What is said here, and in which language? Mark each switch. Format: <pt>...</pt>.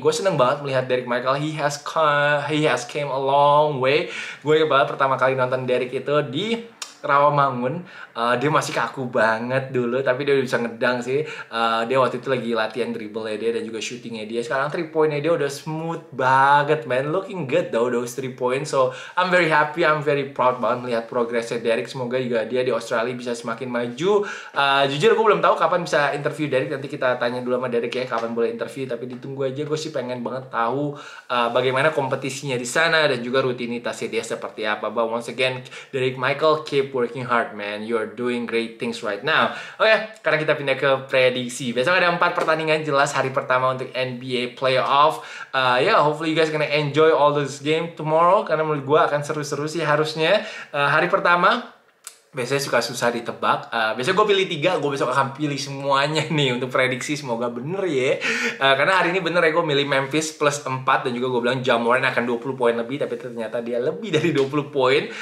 <id>Gue seneng banget melihat Derek Michael.</id> <en>He has came a long way.</en> <id>Gue ingat banget pertama kali nonton Derek itu di Rawamangun. Dia masih kaku banget dulu, tapi dia udah bisa ngedang sih. Dia waktu itu lagi latihan dribble ya dia, dan juga shootingnya dia. Sekarang 3 pointnya dia udah smooth banget, man.</id> <en>Looking good though those 3 points. So I'm very happy, I'm very proud</en> <id>banget melihat progresnya Derek. Semoga juga dia di Australia bisa semakin maju. Jujur gue belum tahu kapan bisa interview Derek. Nanti kita tanya dulu sama Derek ya kapan boleh interview. Tapi ditunggu aja, gue sih pengen banget tahu bagaimana kompetisinya di sana dan juga rutinitasnya dia seperti apa.</id> <en>But once again, Derek Michael, keep working hard, man. You are doing great things right now.</en> <id>Oke, okay, sekarang kita pindah ke prediksi. Besok ada 4 pertandingan jelas hari pertama untuk NBA Playoff.</id> <en>Yeah, hopefully you guys gonna enjoy all this game tomorrow.</en> <id>Karena menurut gue akan seru-seru sih harusnya. Hari pertama biasanya suka susah ditebak. Biasanya gue pilih 3, gue besok akan pilih semuanya nih untuk prediksi. Semoga bener ya. Karena hari ini bener ya, gue milih Memphis plus 4. Dan juga gue bilang Ja Morant akan 20 poin lebih. Tapi ternyata dia lebih dari 20 poin.</id>